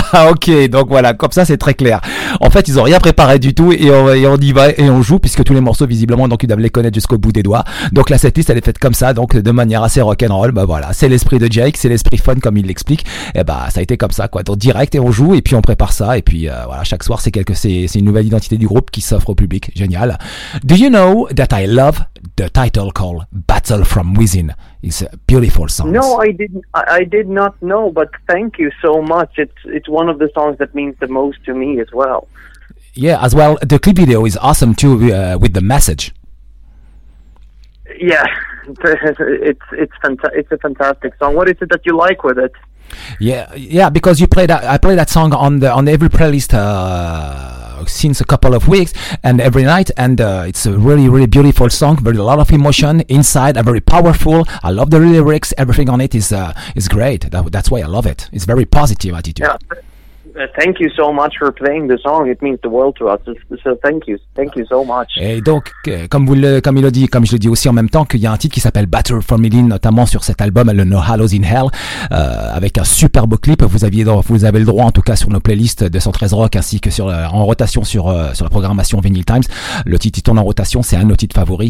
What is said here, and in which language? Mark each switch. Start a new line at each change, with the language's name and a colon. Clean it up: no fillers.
French: Ok, donc voilà, comme ça c'est très clair. En fait, ils ont rien préparé du tout et on y va et on joue puisque tous les morceaux visiblement donc ils doivent les connaître jusqu'au bout des doigts. Donc la setlist elle est faite comme ça, donc de manière assez rock'n'roll. Bah voilà, c'est l'esprit de Jake, c'est l'esprit fun comme il l'explique. Et bah ça a été comme ça quoi, donc direct et on joue et puis on prépare ça et puis voilà. Chaque soir c'est une nouvelle identité du groupe qui s'offre au public. Génial.
English: Do you know that I love the title called Battle from Within? It's a beautiful song. No, I did not know, but thank you so much. It's one of the songs that means the most to me as well. Yeah, as well, the clip video is awesome too, with the message. Yeah, it's a fantastic song. What is it that you like with it? Yeah, because you play that. I play that song on every playlist since a couple of weeks and every night, and it's a really, really beautiful song. Very a lot of emotion inside, a very powerful. I love the lyrics. Everything on it is great. That's why I love it. It's very positive attitude. Yeah. Thank you so much for playing the song. It means the world to us. So thank you so much.
French: Et donc, comme je le dis aussi en même temps, qu'il y a un titre qui s'appelle Battle from Within, notamment sur cet album, le No Hallows in Hell, avec un superbe clip. Vous avez le droit, en tout cas, sur nos playlists de 113 Rock, ainsi que en rotation sur la programmation Vinyl Times. Le titre, il tourne en rotation. C'est un de nos titres favoris.